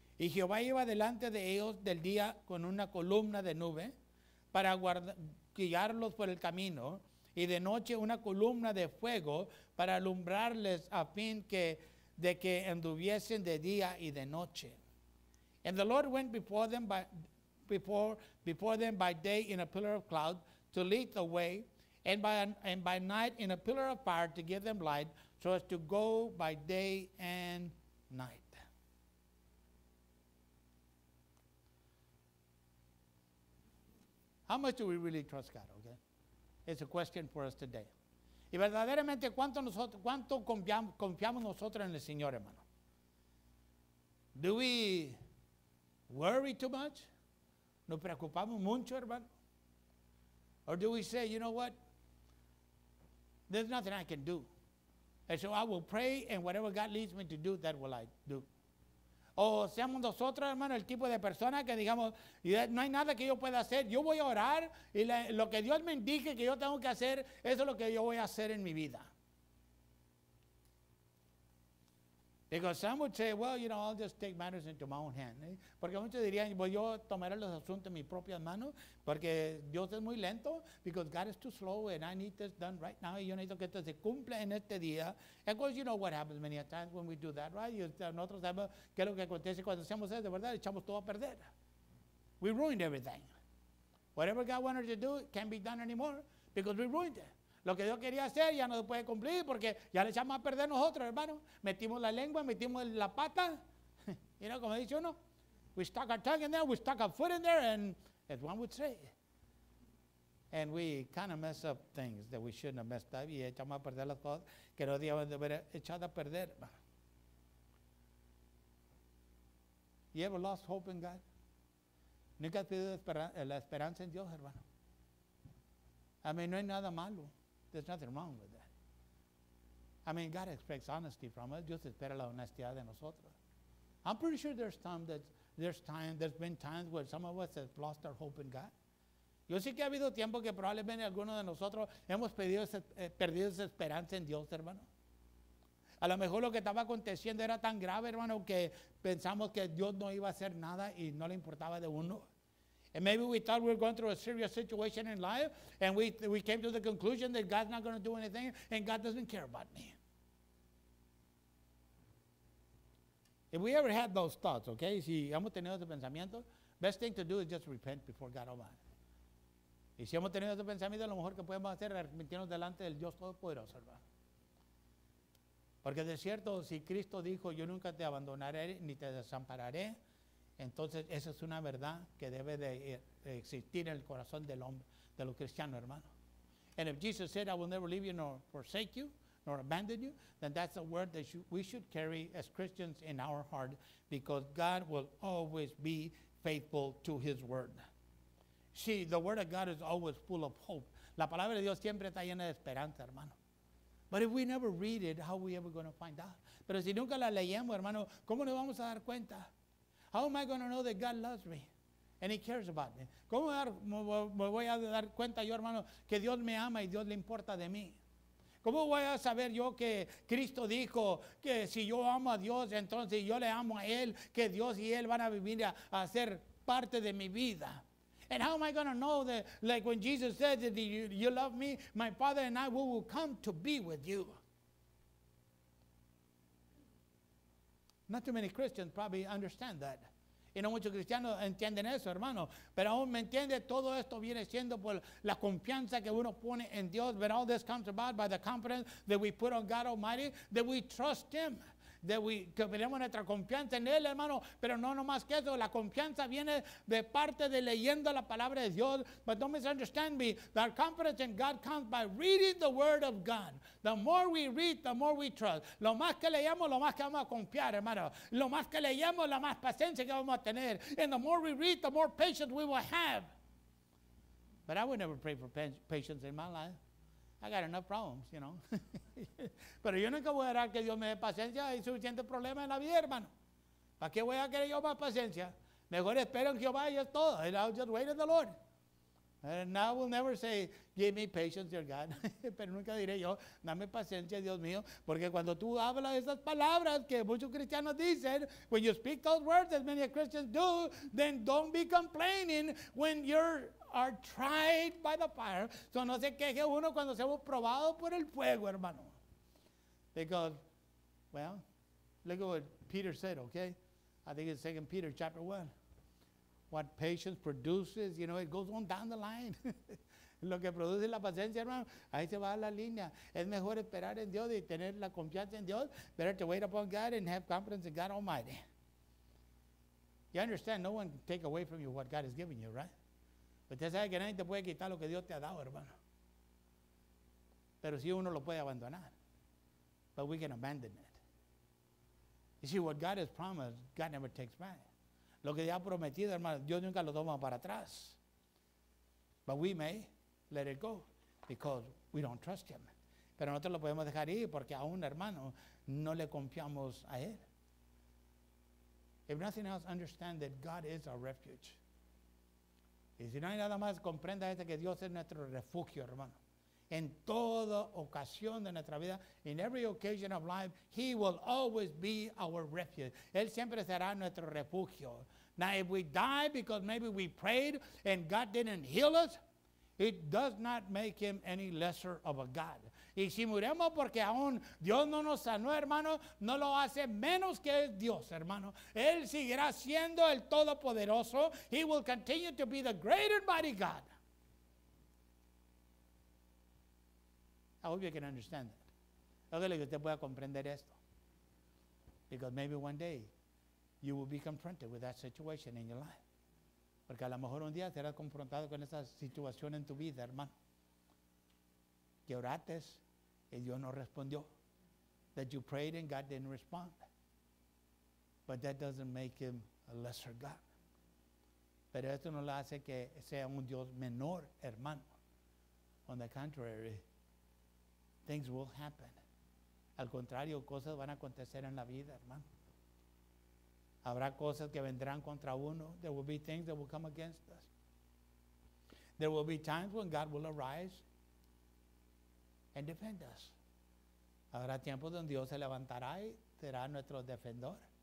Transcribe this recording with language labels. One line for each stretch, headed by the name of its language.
Spanish: Y Jehová iba delante de ellos del día con una columna de nube para guiarlos por el camino, y de noche una columna de fuego para alumbrarles a fin de que anduviesen de día y de noche.
English: And the Lord went before them by day in a pillar of cloud to lead the way, and by night in a pillar of fire to give them light so as to go by day and night. How much do we really trust God, okay? It's a question for us today.
Spanish: Y verdaderamente, ¿cuánto confiamos nosotros en el Señor, hermano?
English: Do we worry too much?
Spanish: ¿Nos preocupamos mucho, hermano?
English: Or do we say, you know what? There's nothing I can do. And so I will pray, and whatever God leads me to do, that will I do.
Spanish: O seamos nosotros, hermano, el tipo de persona que digamos, no hay nada que yo pueda hacer, yo voy a orar y lo que Dios me indique que yo tengo que hacer, eso es lo que yo voy a hacer en mi vida.
English: Because some would say, well, you know, I'll just take matters into my own hand.
Spanish: Porque muchos dirían, well, yo tomaré los asuntos en mis propias manos, porque Dios es muy lento,
English: because God is too slow and I need this done right now,
Spanish: y yo necesito que esto se cumpla en este día.
English: And of course, you know what happens many a times when we do that, right?
Spanish: Nosotros sabemos qué es lo que acontece cuando hacemos eso, de verdad, echamos todo a perder.
English: We ruined everything. Whatever God wanted to do can't be done anymore because we ruined it.
Spanish: Lo que Dios quería hacer ya no se puede cumplir porque ya le echamos a perder nosotros, hermano. Metimos la lengua, metimos la pata.
English: You know,
Spanish: como dice uno,
English: we stuck our tongue in there, we stuck our foot in there, and as one would say, and we kind of mess up things that we shouldn't have messed up,
Spanish: y echamos a perder las cosas que no debíamos haber echado a perder, hermano.
English: You ever lost hope in God?
Spanish: ¿Nunca has perdido la esperanza en Dios, hermano? A mí no hay nada malo.
English: There's nothing wrong with that. I mean, God expects honesty from us.
Spanish: Dios espera la honestidad de nosotros.
English: I'm pretty sure there's been times where some of us have lost our hope in God.
Spanish: Yo sé que ha habido tiempo que probablemente algunos de nosotros hemos perdido esa esperanza en Dios, hermano. A lo mejor lo que estaba aconteciendo era tan grave, hermano, que pensamos que Dios no iba a hacer nada y no le importaba de uno.
English: And maybe we thought we were going through a serious situation in life, and we came to the conclusion that God's not going to do anything, and God doesn't care about me. If we ever had those thoughts, okay,
Spanish: si hemos tenido ese pensamiento,
English: best thing to do is just repent before God Almighty.
Spanish: Y si hemos tenido ese pensamiento, lo mejor que podemos hacer es arrepentirnos delante del Dios Todopoderoso, hermano. Porque de cierto, si Cristo dijo, yo nunca te abandonaré ni te desampararé, entonces esa es una verdad que debe de existir en el corazón del hombre, de los cristianos, hermano.
English: And if Jesus said, I will never leave you nor forsake you, nor abandon you, then that's a word that we should carry as Christians in our heart, because God will always be faithful to his word. See, the word of God is always full of hope.
Spanish: La palabra de Dios siempre está llena de esperanza, hermano.
English: But if we never read it, how are we ever going to find out?
Spanish: Pero si nunca la leemos, hermano, ¿cómo nos vamos a dar cuenta?
English: How am I going to know that God loves me and he cares about me?
Spanish: ¿Cómo me voy a dar cuenta yo, hermano, que Dios me ama y Dios le importa de mí? ¿Cómo voy a saber yo que Cristo dijo que si yo amo a Dios, entonces yo le amo a Él, que Dios y Él van a vivir a ser parte de mi vida?
English: And how am I going to know that, like when Jesus said that you love me, my Father and I will come to be with you? Not too many Christians probably understand that.
Spanish: Y no muchos cristianos entienden eso, hermano. Pero aún me entiende, todo esto viene siendo por la confianza que uno pone en Dios.
English: But all this comes about by the confidence that we put on God Almighty, that we trust Him, that we, que tenemos nuestra confianza en Él, hermano.
Spanish: Pero no nomás que eso, la confianza viene de parte de leyendo la palabra de Dios.
English: But don't misunderstand me, our confidence in God comes by reading the Word of God. The more we read, the more we trust.
Spanish: Lo más que leemos, lo más que vamos a confiar, hermano. Lo más que leemos, la más paciencia que vamos a tener.
English: And the more we read, the more patience we will have. But I would never pray for patience in my life. I got enough problems, you know.
Spanish: Pero yo nunca voy a orar que Dios me dé paciencia. Hay suficientes problemas en la vida, hermano. ¿Para qué voy a querer yo más paciencia? Mejor espero en Jehová y es todo.
English: And I'll just wait in the Lord. And I will never say, give me patience, dear God.
Spanish: Pero nunca diré yo, dame paciencia, Dios mío. Porque cuando tú hablas esas palabras que muchos cristianos dicen,
English: when you speak those words, as many Christians do, then don't be complaining when you're are tried by the fire.
Spanish: So no se queje uno cuando se hemos probado por el fuego, hermano.
English: Because, well, look at what Peter said, okay? I think it's 2 Peter chapter 1. What patience produces, you know, it goes on down the line.
Spanish: Lo que produce la paciencia, hermano, ahí se va la línea. Es mejor esperar en Dios y tener la confianza en Dios.
English: Better to wait upon God and have confidence in God Almighty. You understand, no one can take away from you what God has given you, right?
Spanish: Usted sabe que nadie te puede quitar lo que Dios te ha dado, hermano. Pero si uno lo puede abandonar.
English: But we can abandon it. You see, what God has promised, God never takes back.
Spanish: Lo que Dios ha prometido, hermano, Dios nunca lo toma para atrás.
English: But we may let it go because we don't trust Him.
Spanish: Pero nosotros lo podemos dejar ir porque aún, hermano, no le confiamos a Él.
English: If nothing else, understand that God is our refuge.
Spanish: Y si no hay nada más, comprenda este, que Dios es nuestro refugio, hermano. En toda ocasión de nuestra vida,
English: in every occasion of life, He will always be our refuge.
Spanish: Él siempre será nuestro refugio.
English: Now, if we die because maybe we prayed and God didn't heal us, it does not make Him any lesser of a God.
Spanish: Y si muremos porque aún Dios no nos sanó, hermano, no lo hace menos que es Dios, hermano. Él seguirá siendo el Todopoderoso.
English: He will continue to be the great and mighty God. I hope you can understand that.
Spanish: Ojalá que usted pueda comprender esto.
English: Because maybe one day you will be confronted with that situation in your life.
Spanish: Porque a lo mejor un día serás confrontado con esa situación en tu vida, hermano. Que oraste y Dios no respondió.
English: That you prayed and God didn't respond. But that doesn't make Him a lesser God.
Spanish: Pero esto no le hace que sea un Dios menor, hermano.
English: On the contrary, things will happen.
Spanish: Al contrario, cosas van a acontecer en la vida, hermano. Habrá cosas que vendrán contra uno.
English: There will be things that will come against us. There will be times when God will arise and defend us.
Spanish: Habrá tiempos donde Dios se levantará y será nuestro defensor.